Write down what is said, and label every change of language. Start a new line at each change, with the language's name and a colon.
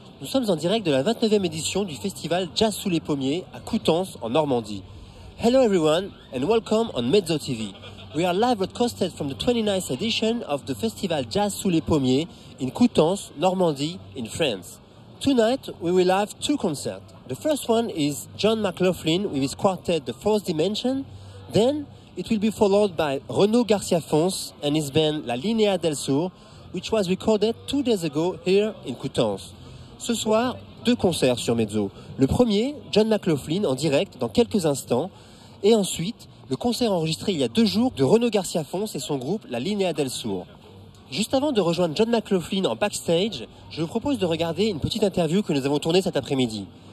French: Nous sommes en direct de la 29e édition du festival Jazz sous les pommiers à Coutances en Normandie.
English: Hello everyone and welcome on Mezzo TV. We are live broadcasted from the 29th edition of the festival Jazz sous les pommiers in Coutances, Normandie, in France. Tonight we will have two concerts. The first one is John Mclaughlin with his quartet The Fourth Dimension. Then it will be followed by Renaud Garcia-Fons and his band La Linea del Sur, which was recorded 2 days ago here in Coutances.
French: Ce soir, deux concerts sur Mezzo. Le premier, John Mclaughlin en direct dans quelques instants. Et ensuite, le concert enregistré il y a 2 jours de Renaud Garcia-Fons et son groupe La Linea del Sur. Juste avant de rejoindre John Mclaughlin en backstage, je vous propose de regarder une petite interview que nous avons tournée cet après-midi.